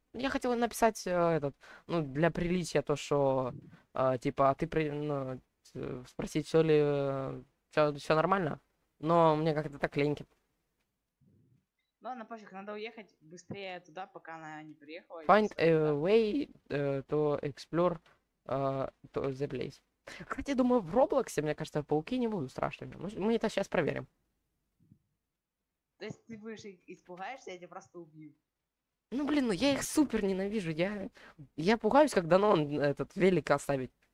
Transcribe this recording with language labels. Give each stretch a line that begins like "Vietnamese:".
Russian: Я хотел написать этот, ну, для приличия то, что типа, а ты при, ну, спросить, все ли все нормально. Но мне как-то так ленькит. Ну ладно, пофиг, надо уехать быстрее туда, пока она не приехала.
English: Find a way to explore to the place.
Russian: Кстати, думаю, в Роблоксе, мне кажется, пауки не будут страшными. Мы это сейчас проверим. То есть ты будешь их испугаешься, я тебя просто убью. Ну блин, ну я их супер ненавижу. Я пугаюсь, когда он этот велик оставить.